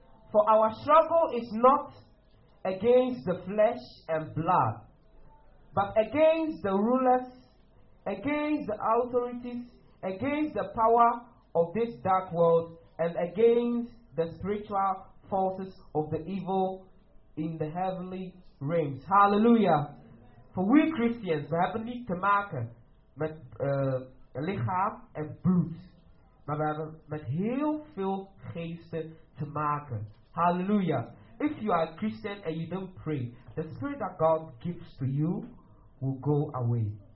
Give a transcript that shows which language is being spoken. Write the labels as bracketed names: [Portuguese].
[English] For our struggle is not against the flesh and blood, but against the rulers, against the authorities, against the power of this dark world, and against the spiritual forces of the evil in the heavenly realms. Hallelujah. For we Christians, [Dutch] we hebben niet te maken met lichaam en bloed, maar we hebben met heel veel geesten te maken. [English] Hallelujah. If you are a Christian and you don't pray, the spirit that God gives to you will go away.